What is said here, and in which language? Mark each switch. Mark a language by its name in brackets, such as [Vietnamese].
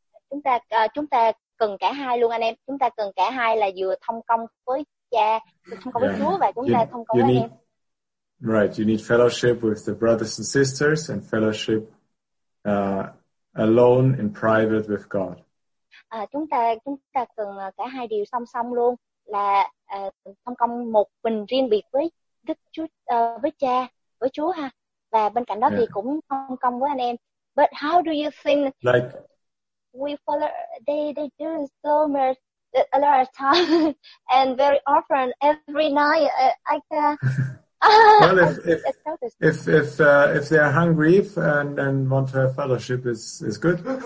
[Vietnamese] Chúng ta cần cả hai luôn, anh em. Chúng ta cần cả hai, là vừa thông công với cha, thông công với Chúa, và chúng ta thông công với em. [English] Right. You need fellowship with the brothers and sisters, and fellowship. Alone in private with God. [Vietnamese] Chúng ta cần cả hai điều song song luôn, là thông công một mình riêng biệt với Đức Chúa, với Cha, với Chúa ha. Và bên cạnh đó thì cũng thông công với anh em. [English] But how do you think? Like we follow, they do so much a lot of time and very often every night. I can. Well, if they are hungry and want to have fellowship, is good.